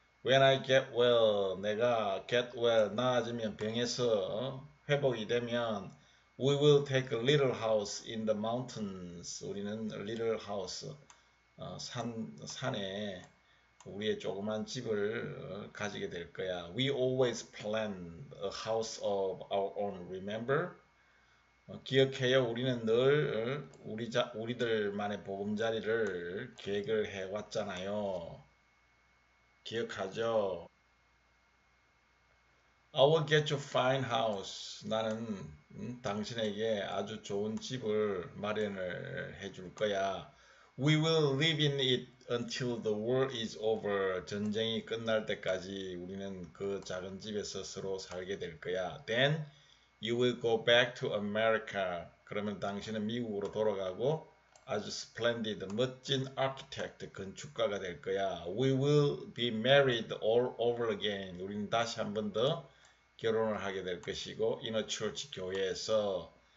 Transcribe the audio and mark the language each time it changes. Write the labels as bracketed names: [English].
[English] When I get well, [Korean] 내가 [English] get well, [Korean] 나아지면 병에서 회복이 되면 [English] we will take a little house in the mountains. [Korean] 우리는 [English] a little house. [Korean] 산에 우리의 조그만 집을 가지게 될 거야. [English] We always plan a house of our own, remember? [Korean] 기억해요. 우리는 늘 우리들만의 보금자리를 계획을 해왔잖아요. 기억하죠? [English] I will get you a fine house. [Korean] 나는 당신에게 아주 좋은 집을 마련을 해줄 거야. [English] We will live in it until the war is over. [Korean] 전쟁이 끝날 때까지 우리는 그 작은 집에서 서로 살게 될 거야. [English] Then you will go back to America. [Korean] 그러면 당신은 미국으로 돌아가고 아주 [English] splendid, [Korean] 멋진 [English] architect, [Korean] 건축가가 될 거야. [English] We will be married all over again. [Korean] 우리는 다시 한번더 결혼을 하게 될 것이고, [English] in a church [Korean] 교회에서.